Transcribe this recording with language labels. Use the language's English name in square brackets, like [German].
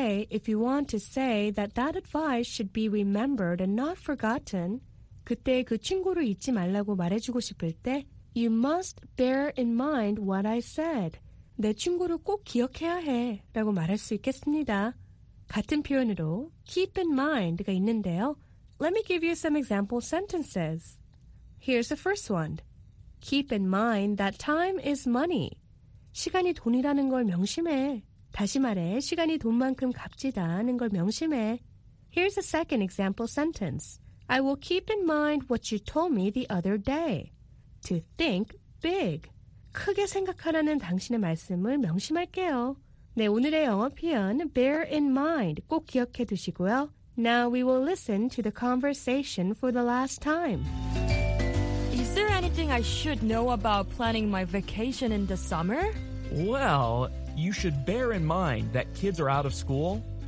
[English] If you want to say that that advice should be remembered and not forgotten, [Korean] 그때 그 충고를 잊지 말라고 말해주고 싶을 때, [English] you must bear in mind what I said. [Korean] 내 충고를 꼭 기억해야 해 라고 말할 수 있겠습니다. 같은 표현으로 keep in mind가 있는데요. [English] Let me give you some example sentences. Here's the first one. Keep in mind that time is money. [Korean] 시간이 돈이라는 걸 명심해. 다시 말해, 시간이 돈만큼 값지다 하는 걸 명심해. [English] Here's a second example sentence. I will keep in mind what you told me the other day. To think big. [Korean] 크게 생각하라는 당신의 말씀을 명심할게요. 네, 오늘의 영어 표현, bear in mind. 꼭 기억해 두시고요. [English] Now we will listen to the conversation for the last time. Is there anything I should know about planning my vacation in the summer? Well, you should bear in mind that kids are out of school.